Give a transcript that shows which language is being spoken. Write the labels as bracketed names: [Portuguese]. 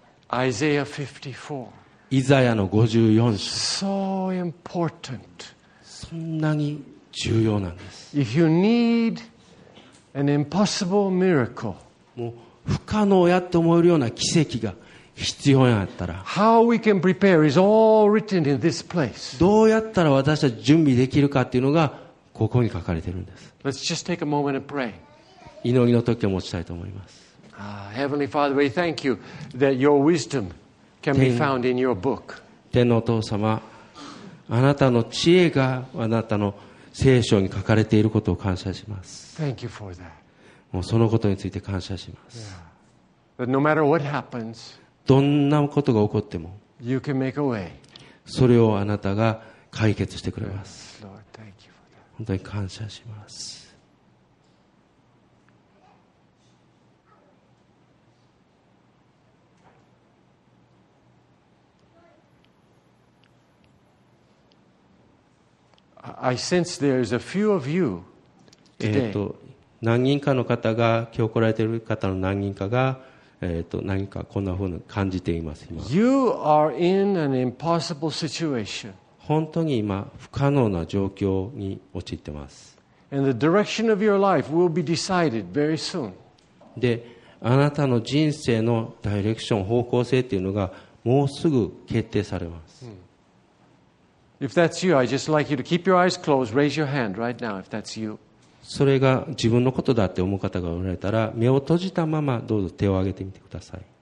[English] Yeah. Isaiah 54. [Japanese] イザヤの54章。 [English] So important. [Japanese] そんなに重要なんです。 [English] If you need an impossible miracle. [Japanese] もう不可能やって思えるような奇跡が必要やったら、 [English] How we can prepare is all written in this place. [Japanese] どうやったら私たち準備できるかっていうのがここに書かれているんです。 [English] Let's just take a moment and pray. [Japanese] 祈りの時を持ちたいと思います。 [English] Heavenly Father, we thank you that your wisdom can be found in your book. [Japanese] 天のお父様、あなたの知恵があなたの聖書に書かれていることを感謝します。 [English] Thank you for that. [Japanese] もうそのことについて感謝します。 [English] Yeah. But no matter what happens, [Japanese] どんなことが起こっても、 [English] you can make a way. [Japanese] それをあなたが解決してくれます。 [English] Yes, Lord, thank you for that. [Japanese] 本当に感謝します。 [English] I sense there's a few of you today. [Japanese] 何人かの方が今日来られている方の何人かが何かこんなふうに感じています。今 [English] you are in an impossible situation. [Japanese] 本当に今不可能な状況に陥っています。 [English] And the direction of your life will be decided very soon. [Japanese] で、あなたの人生のダイレクション、方向性というのがもうすぐ決定されます。 [English] If that's you, I'd just like you to keep your eyes closed, raise your hand right now if that's you. [Japanese] それが自分のことだって思う方がおられたら目を閉じたままどうぞ手を挙げてみてください。